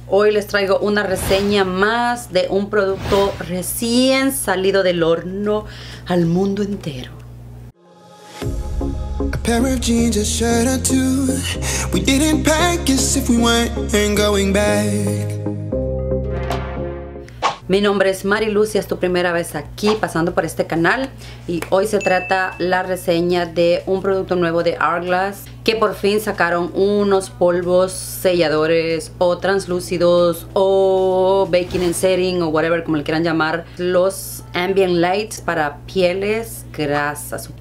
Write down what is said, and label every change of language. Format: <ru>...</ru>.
<es>Hoy les traigo una reseña más de un producto recién salido del horno al mundo entero.</es> <en>A pair of jeans, a shirt or two. We didn't pack us if we weren't going back.</en> <es>Mi nombre es Mari Luz, es tu primera vez aquí pasando por este canal y hoy se trata la reseña de un producto nuevo de Hourglass que por fin sacaron unos polvos selladores o translúcidos o</es> <en>baking and setting</en> <es>o whatever como le quieran llamar, los ambient lights para pieles grasas.</es>